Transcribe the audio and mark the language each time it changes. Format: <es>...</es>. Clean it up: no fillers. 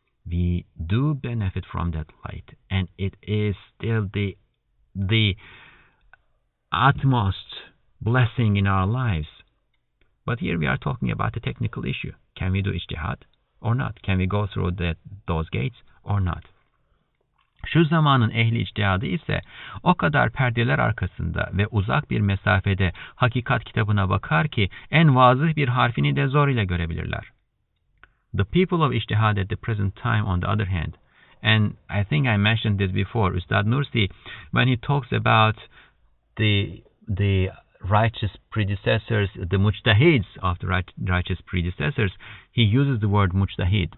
<en>We do benefit from that light, and it is still the utmost blessing in our lives. But here we are talking about a technical issue. Can we do ijtihad or not? Can we go through those gates or not?</en> <tr>Şu zamanın ehli ijtihadı ise o kadar perdeler arkasında ve uzak bir mesafede hakikat kitabına bakar ki en vazih bir harfini de zor ile görebilirler.</tr> <en>The people of ijtihad at the present time, on the other hand, and I think I mentioned this before, Ustad Nursi, when he talks about the righteous predecessors, the mujtahids of the righteous predecessors, he uses the word mujtahid.</en>